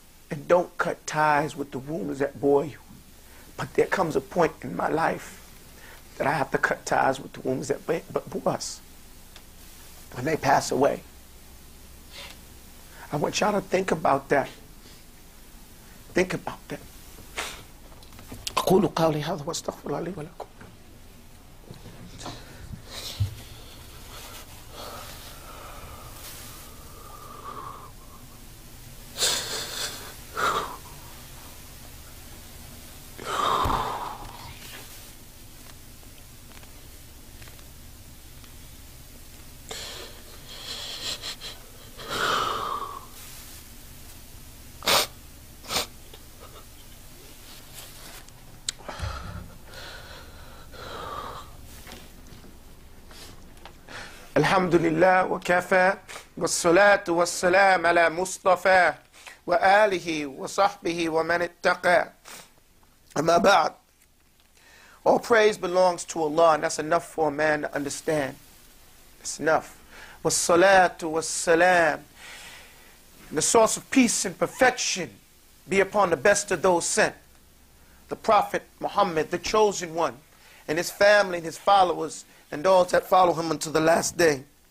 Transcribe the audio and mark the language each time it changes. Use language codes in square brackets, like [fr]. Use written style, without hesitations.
[en] And don't cut ties with the wombs that bore you. But there comes a point in my life that I have to cut ties with the wombs that bore us. When they pass away. I want y'all to think about that. Think about that. [ar] قولوا قولي هذا واستغفر الله لي ولكم. الحمد لله وكفى والصلاة والسلام على مصطفى وآله وصحبه ومن اتقى أما بعد. [en] All praise belongs to Allah, and that's enough for a man to understand. It's enough. [ar] والصلاة والسلام. [en] The source of peace and perfection be upon the best of those sent, the Prophet Muhammad, the chosen one, and his family and his followers, and all that follow him until the last day.